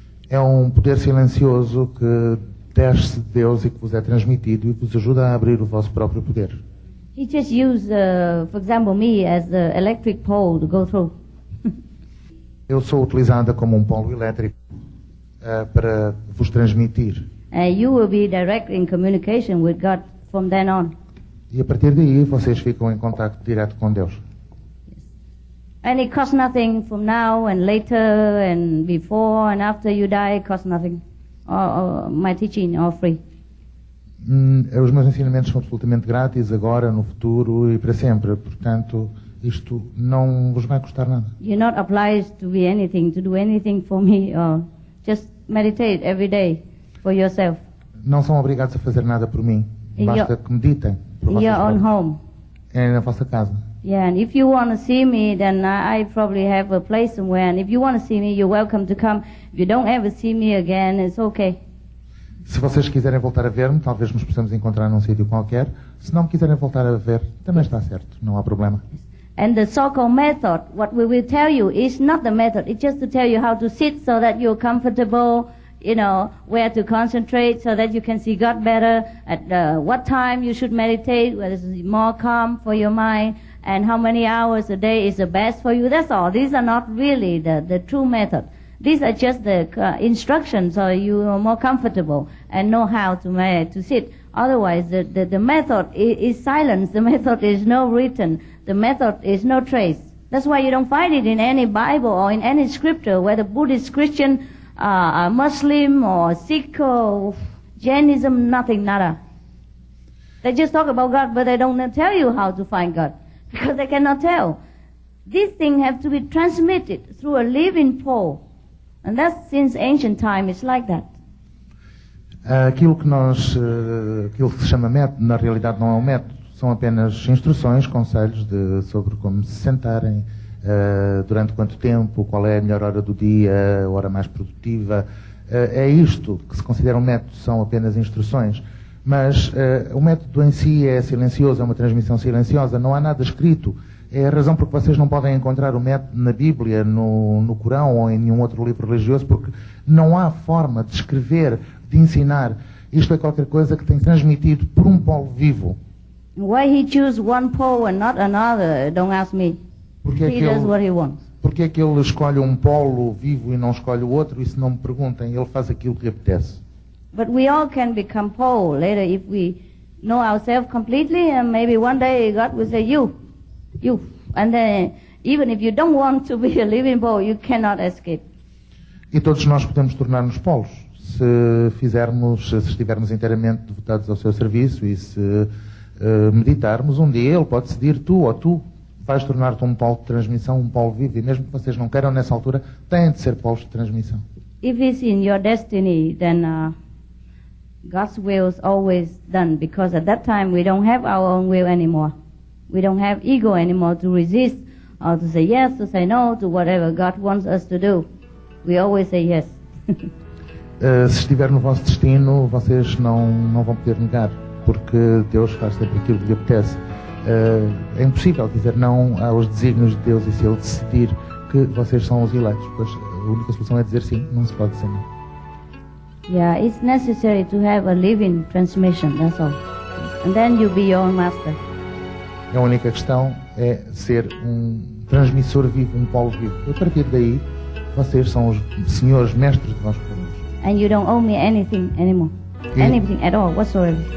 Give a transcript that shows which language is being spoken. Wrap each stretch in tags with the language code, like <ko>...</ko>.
<pt>É poder silencioso que desce de Deus e que vos é transmitido e vos ajuda a abrir o vosso próprio poder.</pt> <en>He just used, for example, me as the electric pole to go through.</en> <pt>Eu sou utilizada como polo elétrico para vos transmitir.</pt> <en>You will be directly in communication with God from then on.</en> <pt>E a partir daí vocês ficam em contacto direto com Deus.</pt> <en>And it costs nothing from now and later and before and after you die, it costs nothing. Or my teaching, all free.</en> <pt>Os meus ensinamentos são absolutamente grátis agora, no futuro e para sempre. Portanto, isto não vos vai custar nada.</pt> <en>You're not obliged to be anything, to do anything for me. Or just meditate every day for yourself.</en> <pt>Não são obrigados a fazer nada por mim. Basta que meditem.</pt> <en>In your own home.</en> <pt>É na vossa casa.</pt> <en>Yeah, and if you want to see me, then I probably have a place somewhere. And if you want to see me, you're welcome to come. If you don't ever see me again, it's okay.</en> <pt>Se vocês quiserem voltar a ver-me, talvez nos possamos encontrar num sítio qualquer. Se não quiserem voltar a ver, também está certo. Não há problema.</pt> <en>And the so-called method, what we will tell you, is not the method. It's just to tell you how to sit so that you're comfortable, you know, where to concentrate so that you can see God better, at what time you should meditate, whether it's more calm for your mind, and how many hours a day is the best for you. That's all. These are not really the true method. These are just the instructions so you are more comfortable and know how to sit. Otherwise, the method is silence. The method is no written. The method is no trace. That's why you don't find it in any Bible or in any scripture, whether Buddhist, Christian, Muslim, or Sikh, or Jainism, nothing, nada. They just talk about God, but they don't tell you how to find God. Because they cannot tell. These things have to be transmitted through a living pole. And that's since ancient time, it's like that.</en> <pt>Aquilo que nós, aquilo que se chama método, na realidade não é um método. São apenas instruções, conselhos sobre como se sentarem, durante quanto tempo, qual é a melhor hora do dia, a hora mais produtiva. É isto que se considera um método, são apenas instruções. Mas o método em si é silencioso, é uma transmissão silenciosa, não há nada escrito. É a razão porque vocês não podem encontrar o método na Bíblia, no Corão ou em nenhum outro livro religioso, porque não há forma de escrever, de ensinar. Isto é qualquer coisa que tem transmitido por polo vivo.</pt> <en>Why he choose one pole and not another, don't ask me.</en> <pt>Porque</pt> <en>he does what he wants.</en> <pt>Porque é que ele escolhe polo vivo e não escolhe o outro, isso não me perguntem, ele faz aquilo que lhe apetece.</pt> <en>But we all can become pole later if we know ourselves completely, and maybe one day God will say, you. And then even if you don't want to be a living pole, you cannot escape.</en> <pt>E todos nós podemos tornar-nos polos, se estivermos inteiramente devotados ao seu serviço e se meditarmos, um dia ele pode decidir, tu vais tornar-te um polo de transmissão, um polo vivo, e mesmo que vocês não queiram nessa altura, têm de ser polos de transmissão.</pt> <en>If it's in your destiny, then God's will is always done, because at that time we don't have our own will anymore. We don't have ego anymore to resist, or to say yes, to say no, to whatever God wants us to do. We always say yes.</en> <pt>Se estiver no vosso destino, vocês não vão poder negar, porque Deus faz sempre aquilo que lhe apetece. É impossível dizer não aos desígnios de Deus, e se Ele decidir que vocês são os eleitos, pois a única solução é dizer sim, não se pode dizer não.</pt> <en>Yeah, it's necessary to have a living transmission, that's all. And then you'll be your own master.</en> <pt>A única questão é ser um transmissor vivo, um polo vivo. A partir daí, vocês são os senhores, mestres de vós próprios.</pt> <en>And you don't owe me anything anymore. E anything at all, whatsoever.</en>